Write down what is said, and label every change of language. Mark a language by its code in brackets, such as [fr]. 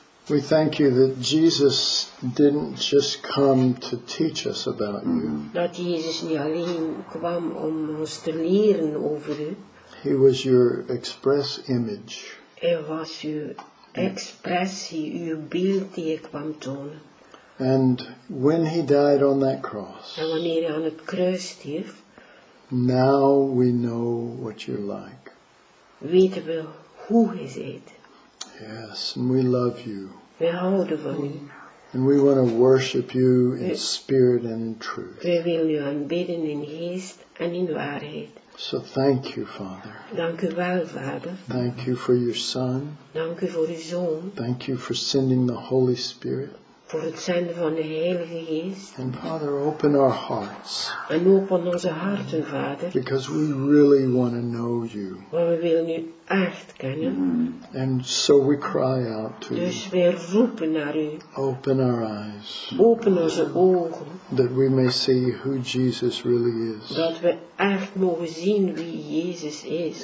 [en] We thank you that Jesus didn't just come to teach us about you. [nl] Dat Jezus niet alleen kwam om ons te leren over u. [en] He was your express image. [nl] Hij was uw expressie, uw beeld die hij kwam tonen. [en] And when he died on that cross. [nl] En wanneer hij aan het kruis stierf. [en] Now we know what you're like. [nl] Weten we hoe hij zit. [en] Yes, and we love you. [nl] We houden van u. [en] And we want to worship you in spirit and in truth. [nl] We willen u aanbidden in geest en in waarheid. [en] So thank you, Father. [nl] Dank u wel, Vader. [en] Thank you for your Son. [nl] Dank u voor uw Zoon. [en] Thank you for sending the Holy Spirit. [nl] Voor het zenden van de Heilige Geest. [en] And Father, open our hearts. [nl] En open onze harten, Vader. [en] Because we really want to know you. [nl] Want we willen u echt kennen. [en] And so we cry out to you. [nl] Dus we roepen naar u. [en] Open our eyes. [nl] Open onze ogen. [en] That we may see who Jesus really is. [nl] Dat we echt mogen zien wie Jezus is.